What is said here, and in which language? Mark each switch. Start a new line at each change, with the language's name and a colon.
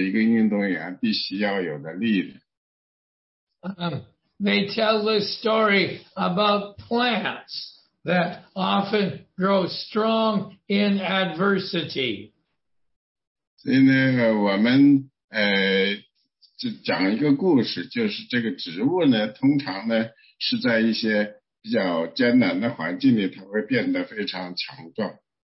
Chinese: 运动员呢，他们呢，要训练，要锻炼呢，是为了增强他的那个抗压能力，增强他的作为一个运动员必须要有的力量。
English: They tell this story about plants that often grow strong in adversity.
Chinese: 所以呢，我们就讲一个故事，就是这个植物呢，通常呢是在一些比较艰难的环境里，它会变得非常强壮。